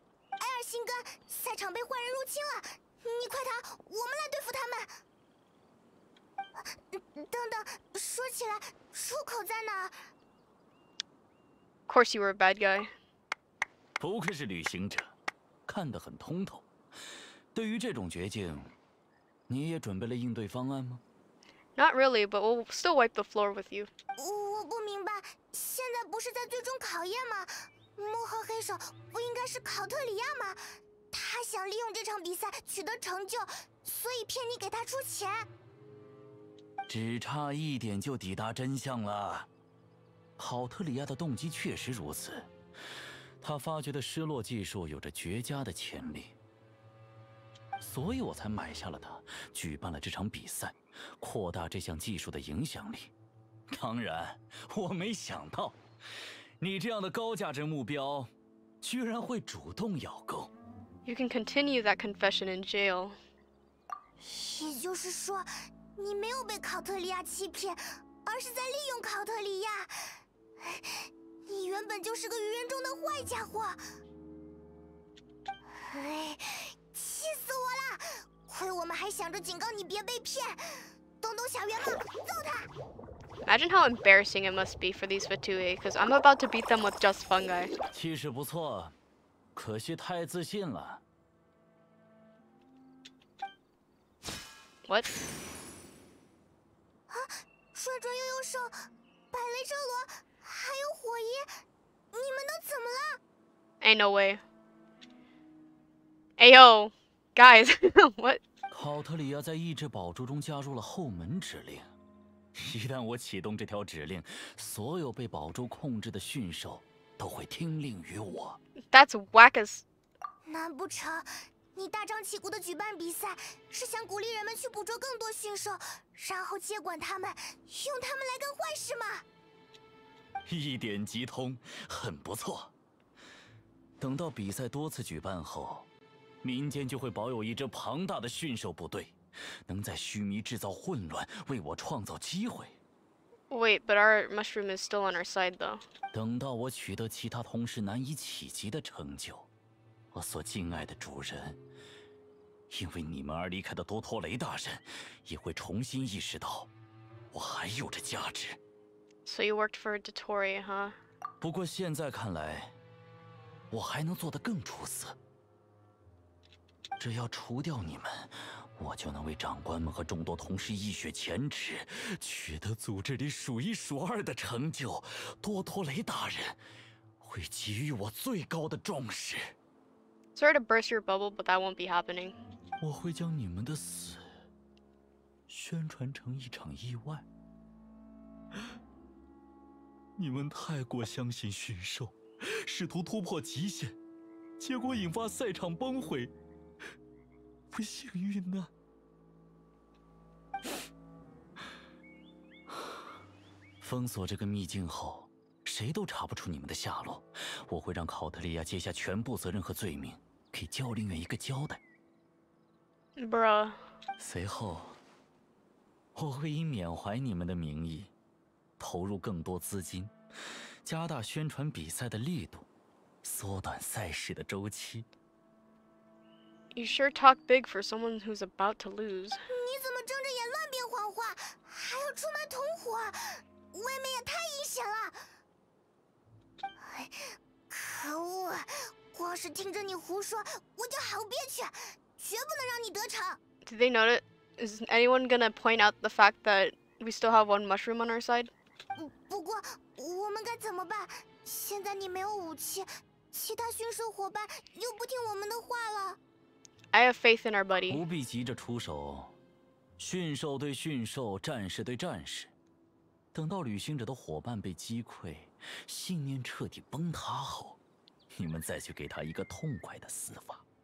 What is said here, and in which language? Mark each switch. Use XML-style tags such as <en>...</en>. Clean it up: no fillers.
<zh>艾尔辛根，赛场被坏人入侵了，你快逃，我们来对付他们。等等，说起来，出口在哪？</zh> <en>Of course you were a bad guy.</en> <zh>不愧是旅行者，看得很通透。对于这种绝境，你也准备了应对方案吗？</zh> <en>Not really, but we'll still wipe the floor with you.</en> <zh>我不明白，现在不是在最终考验吗？幕后黑手不应该是考特里亚吗？他想利用这场比赛取得成就，所以骗你给他出钱。只差一点就抵达真相了。考特里亚的动机确实如此，他发觉的失落技术有着绝佳的潜力，所以我才买下了他，举办了这场比赛，扩大这项技术的影响力。当然，我没想到你这样的高价值目标居然会主动咬钩。</zh> <en>You can continue that confession in jail.</en> <zh>也就是说，你没有被考特利亚欺骗，而是在利用考特利亚。你原本就是个愚人中的坏家伙。哎，气死我了！亏我们还想着警告你别被骗。东东小圆帽，揍他！</zh> <en>Imagine how embarrassing it must be for these Fatui, because I'm about to beat them with just fungi.</en> <zh>气势不错，可惜太自信了。</zh> <en>What?</en> <zh>转转悠悠兽，百雷遮罗，还有火焰，你们都怎么了</zh> <en>？Ain't no way. Ayo, guys, what?</en> <zh>考特里亚在意志宝珠中加入了后门指令。一旦我启动这条指令，所有被宝珠控制的驯兽都会听令于我。</zh> <en>That's whack as.</en> <zh>难不成你大张旗鼓的举办比赛，是想鼓励人们去捕捉更多驯兽，然后接管他们，用他们来干坏事吗？一点即通，很不错。等到比赛多次举办后，民间就会保有一支庞大的驯兽部队，能在须弥制造混乱，为我创造机会。</zh> <en>Wait, but our mushroom is still on our side, though.</en> <zh>等到我取得其他同事难以企及的成就，我所敬爱的主人，因为你们而离开的多托雷大人，也会重新意识到，我还有着价值。</zh> <en>So you worked for Dottori, huh?</en> <zh>不过现在看来，我还能做得更出色。只要除掉你们，我就能为长官们和众多同事一雪前耻，取得组织里数一数二的成就。多托雷大人会给予我最高的重视。</zh> <en>Sorry to burst your bubble, but that won't be happening.</en> <zh>我会将你们的死宣传成一场意外。你们太过相信驯兽，试图突破极限，结果引发赛场崩毁，不幸遇难。封锁这个秘境后，谁都查不出你们的下落。我会让考特利亚接下全部责任和罪名，给教令员一个交代。</zh> <en>Bro.</en> <zh>随后，我会以缅怀你们的名义，投入更多资金，加大宣传比赛的力度，缩短赛事的周期。</zh> <en>You sure talk big for someone who's about to lose.</en> <zh>你怎么睁着眼乱编谎话，还要出卖同伙？未免也太阴险了！可恶，光是听着你胡说，我就好憋屈，绝不能让你得逞。</zh> <en>Did they note it? Is anyone gonna point out the fact that we still have one mushroom on our side?</en> <zh>不过我们该怎么办？现在你没有武器，其他驯兽伙伴又不听我们的话了。</zh> <en>I have faith in our buddy.</en> <zh>不必急着出手，驯兽对驯兽，战士对战士，等到旅行者的伙伴被击溃，信念彻底崩塌后，你们再去给他一个痛快的死法。</zh>